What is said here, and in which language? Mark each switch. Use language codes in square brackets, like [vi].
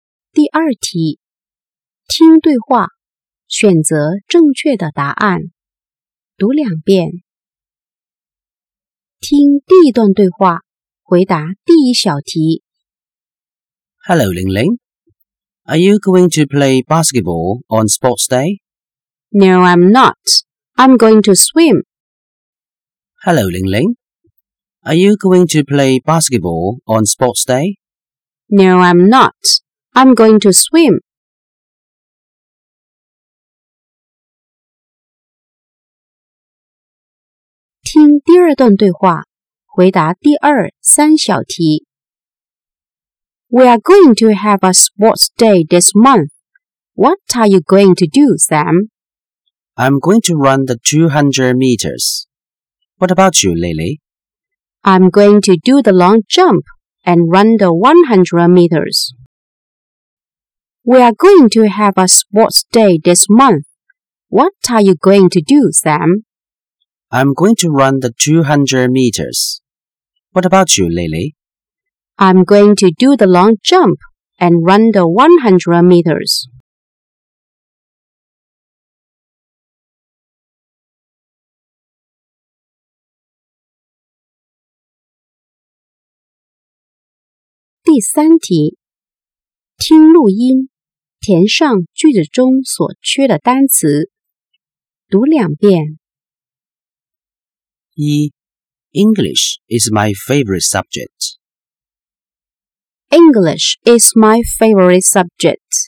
[zh] 第二题，听对话，选择正确的答案。读两遍。听第一段对话，回答第一小题。 [en] Hello, Ling Ling. Are you going to play basketball on sports day? No, I'm not. I'm going to swim. Hello, Ling Ling. Are you going to play basketball on sports day? No, I'm not. I'm going to swim. [zh] 听第二段对话，回答第二、三小题。 [en] We are going to have a sports day this month. What are you going to do, Sam? I'm going to run the 200 meters. What about you, Lily? I'm going to do the long jump and run the 100 meters. We are going to have a sports day this month. What are you going to do, Sam? I'm going to run the 200 meters. What about you, Lily? I'm going to do the long jump and run the 100 meters. [zh] 第三题，听录音，填上句子中所缺的单词，读两遍。 [en] 一 English is my favorite subject. English is my favorite subject.